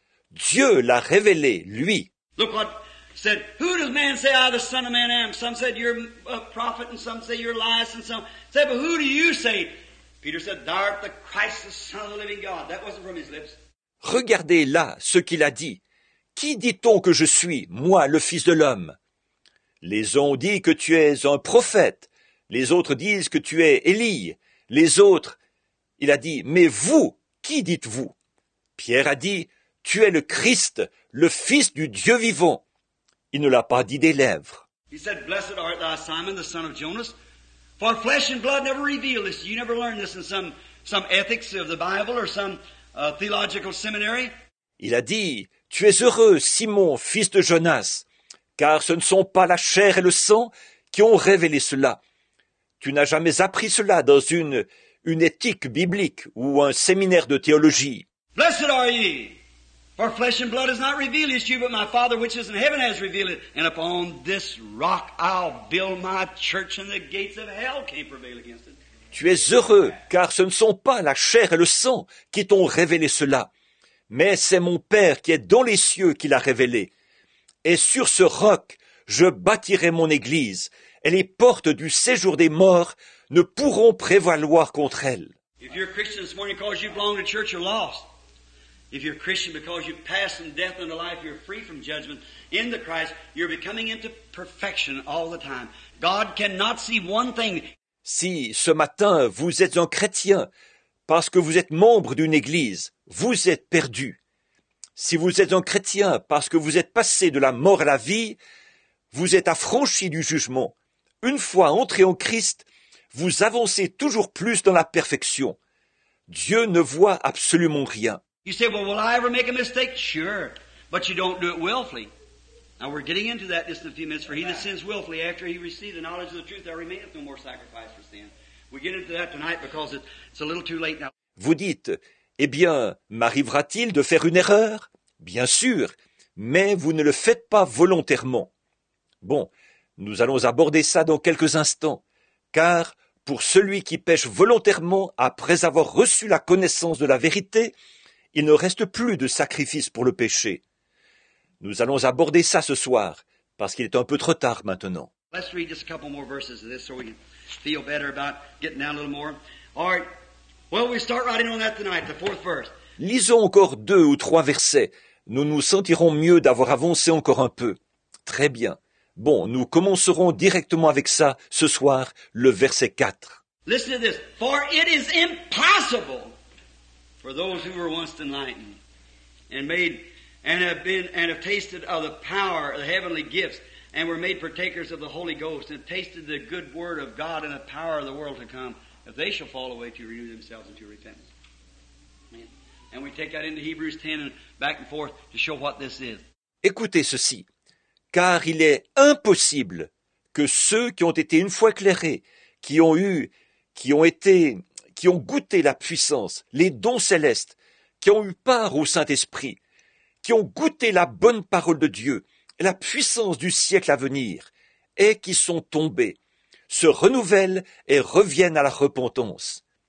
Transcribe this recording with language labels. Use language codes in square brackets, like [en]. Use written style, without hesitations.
[fr] Dieu l'a révélé, lui. [en] Look what said, who does man say I the Son of Man am? Some said you're a prophet, and some say you're Elias, and some said, but who do you say? Peter said, thou art the Christ, the Son of the living God. That wasn't from his lips. [fr] Regardez là ce qu'il a dit. Qui dit-on que je suis, moi, le Fils de l'homme? Les uns ont dit que tu es un prophète. Les autres disent que tu es Élie. Les autres, il a dit, mais vous, qui dites-vous? Pierre a dit, tu es le Christ, le Fils du Dieu vivant. Il ne l'a pas dit des lèvres. [en] He said, blessed art thou, Simon, the son of Jonas, for flesh and blood never revealed this. You never learned this in some ethics of the Bible or some theological seminary. [fr] Il a dit, tu es heureux, Simon, fils de Jonas, car ce ne sont pas la chair et le sang qui ont révélé cela. Tu n'as jamais appris cela dans une éthique biblique ou un séminaire de théologie. [en] Blessed are ye, for flesh and blood has not revealed this to you, but my Father which is in heaven has revealed it. And upon this rock I'll build my church, and the gates of hell can't prevail against it. [fr] Tu es heureux, car ce ne sont pas la chair et le sang qui t'ont révélé cela, mais c'est mon Père qui est dans les cieux qui l'a révélé. Et sur ce roc je bâtirai mon Église. Et les portes du séjour des morts ne pourront prévaloir contre elle. [en] If you're a Christian this morning because you belong to church, you're lost. If you're a Christian because you pass from death into life, you're free from judgment in the Christ, you're becoming into perfection all the time. God cannot see one thing. [fr] Si ce matin vous êtes un chrétien parce que vous êtes membre d'une église, vous êtes perdu. Si vous êtes un chrétien parce que vous êtes passé de la mort à la vie, vous êtes affranchi du jugement. Une fois entré en Christ, vous avancez toujours plus dans la perfection. Dieu ne voit absolument rien. [en] You say, well, will I ever make a mistake? Sure, but you don't do it willfully. Now we're getting into that just in a few minutes. For he that sins willfully, after he receives the knowledge of the truth, there remaineth no more sacrifice for sin. We get into that tonight because it's a little too late now. [fr] Vous dites, eh bien, m'arrivera-t-il de faire une erreur? Bien sûr, mais vous ne le faites pas volontairement. Bon. Nous allons aborder ça dans quelques instants, car pour celui qui pêche volontairement après avoir reçu la connaissance de la vérité, il ne reste plus de sacrifice pour le péché. Nous allons aborder ça ce soir, parce qu'il est un peu trop tard maintenant. [en] Let's read just a couple more verses of this so we feel better about getting down a little more. All right. Well, we start writing on that tonight, the fourth verse. [fr] Lisons encore deux ou trois versets. Nous nous sentirons mieux d'avoir avancé encore un peu. Très bien. Bon, nous commencerons directement avec ça ce soir, le verset 4. [en] Listen to this. For it is impossible for those who were once enlightened and made and have been and have tasted of the power of the heavenly gifts and were made partakers of the Holy Ghost and tasted the good word of God and the power of the world to come, if they shall fall away to renew themselves into repentance. Amen. And we take that into Hebrews 10 and back and forth to show what this is. [fr] Écoutez ceci. Car il est impossible que ceux qui ont été une fois éclairés, qui ont été, qui ont goûté la puissance, les dons célestes, qui ont eu part au Saint-Esprit, qui ont goûté la bonne parole de Dieu, la puissance du siècle à venir, et qui sont tombés, se renouvellent et reviennent à la repentance.